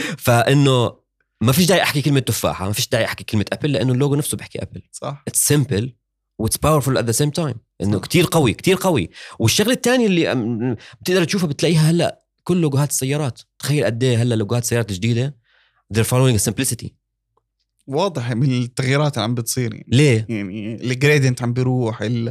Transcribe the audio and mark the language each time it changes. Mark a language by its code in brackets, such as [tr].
[ar] فانه ما فيش داعي احكي كلمة تفاحة ما فيش داعي احكي كلمة ابل لانه اللوجو نفسه بحكي ابل صح [en] it's simple what's powerful at the same time [ar] انه كتير قوي كتير قوي. والشغله الثانيه اللي بتقدر تشوفها بتلاقيها هلا كل لوجوهات السيارات تخيل قد ايه هلا لوجوهات سيارات جديده [en] they're following simplicity [ar] واضح من التغييرات عم بتصير يعني. ليه يعني الجريدينت عم بيروح